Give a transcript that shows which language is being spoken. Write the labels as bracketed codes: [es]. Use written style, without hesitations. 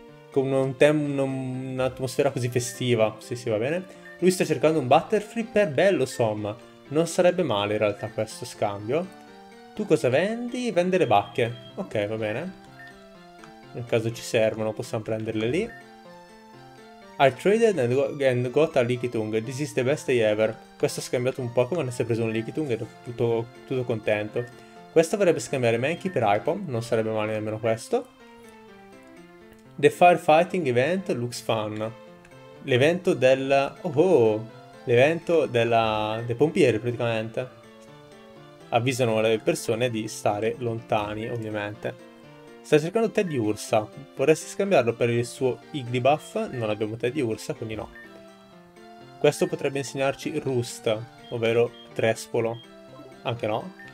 [it] Con un'atmosfera così festiva, sì, va bene. Lui sta cercando un Butterfree per Bellosom. Non sarebbe male in realtà questo scambio. Tu cosa vendi? Vende le bacche. Ok, va bene. Nel caso ci servono, possiamo prenderle lì. [en] I traded and got a Lickitung. This is the best day ever. [it] Questo ha scambiato un Pokémon e si è preso un Lickitung ed è tutto contento. Questo vorrebbe scambiare Mankey per Hypom. Non sarebbe male nemmeno questo. [en] The firefighting event looks fun. [it] L'evento del... Oh! L'evento della... dei pompieri praticamente. Avvisano le persone di stare lontani, ovviamente. Stai cercando Teddy Ursa. Vorresti scambiarlo per il suo Igglybuff? Non abbiamo Teddy Ursa, quindi no. Questo potrebbe insegnarci Roost, ovvero Trespolo. Anche no.